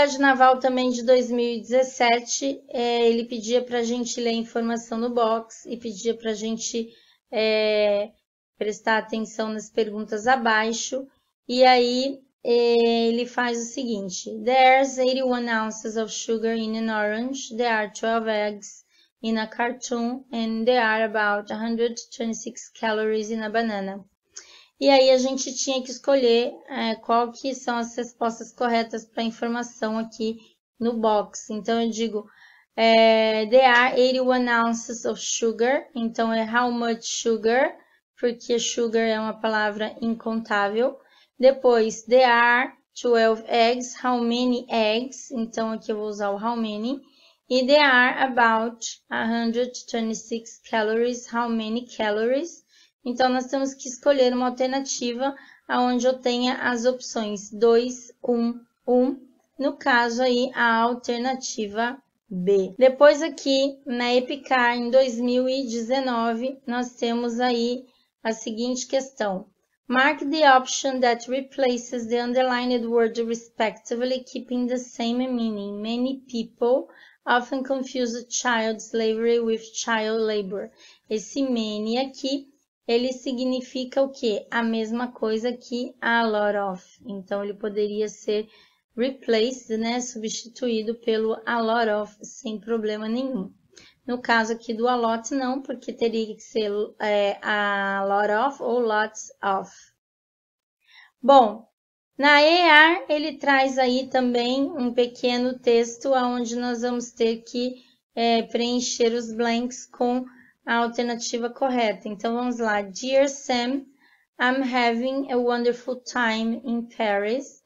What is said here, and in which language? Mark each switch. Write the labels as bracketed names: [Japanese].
[Portuguese] O Colégio Naval também de 2017, ele pedia para a gente ler a informação no box e pedia para a gente prestar atenção nas perguntas abaixo. E aí, ele faz o seguinte: [English] There's 81 ounces of sugar in an orange. There are 12 eggs in a cartoon, and there are about 126 calories in a banana. [Portuguese] E aí a gente tinha que escolher qual que são as respostas corretas para a informação aqui no box. Então eu digo: [English] There are 81 ounces of sugar. [Portuguese] Então é [English] how much sugar? [Portuguese] Porque sugar é uma palavra incontável. [English] Depois, there are 12 eggs. How many eggs? [Portuguese] Então, aqui eu vou usar o how many. [English] E there are about 126 calories. How many calories? [Portuguese] Então, nós temos que escolher uma alternativa aonde eu tenha as opções 2, 1, 1. No caso aí, a alternativa B. Depois aqui, na EPICAR, em 2019, nós temos aí a seguinte questão. [English] Mark the option that replaces the underlined word respectively, keeping the same meaning. Many people often confuse child slavery with child labor. [Portuguese] Esse many aqui, ele significa o quê? A mesma coisa que a lot of. Então, ele poderia ser replaced, né? Substituído pelo a lot of, sem problema nenhum. No caso aqui do a lot, não, porque teria que ser a lot of ou lots of. Bom, na EAR ele traz aí também um pequeno texto onde nós vamos ter que preencher os blanks com a alternativa correta. Então vamos lá. [English] Dear Sam, I'm having a wonderful time in Paris.